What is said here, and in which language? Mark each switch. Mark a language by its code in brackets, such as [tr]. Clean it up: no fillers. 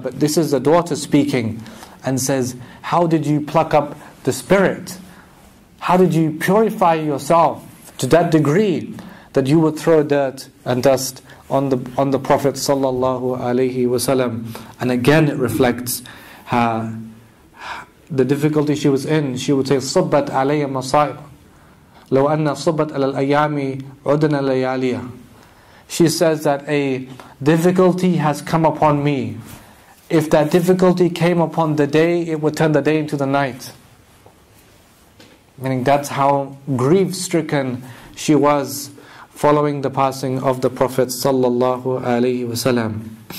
[en] But this is the daughter speaking and says, how did you pluck up the spirit? How did you purify yourself to that degree that you would throw dirt and dust on the Prophet sallallahu alaihi wasallam? And again, it reflects the difficulty she was in. She would say, [ar] صُبَّتْ عَلَيَّ مَصَائِبُ لَوْ أَنَّ صُبَّتْ عَلَى الْأَيَّامِ عُدْنَ لَيَالِيَ. [en] She says that a difficulty has come upon me. If that difficulty came upon the day, it would turn the day into the night. Meaning that's how grief-stricken she was following the passing of the Prophet sallallahu alaihi wasallam.